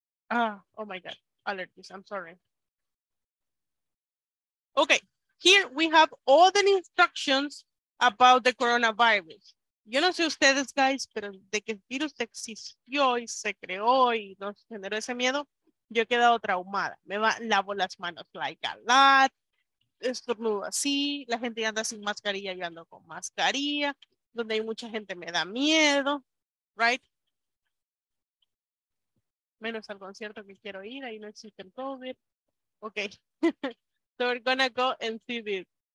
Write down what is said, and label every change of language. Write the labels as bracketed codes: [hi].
[en] Oh my God, allergies, I'm sorry. Okay, here we have all the instructions about the coronavirus. [es] Yo no sé ustedes, guys, pero de que el virus existió y se creó y nos generó ese miedo, yo he quedado traumada. Me lavo las manos [en] like a lot, [es] estornudo así, la gente anda sin mascarilla, yo ando con mascarilla, donde hay mucha gente me da miedo, right? Menos al concierto que quiero ir, ahí no existe el COVID. [en] Okay, so we're gonna go and see this.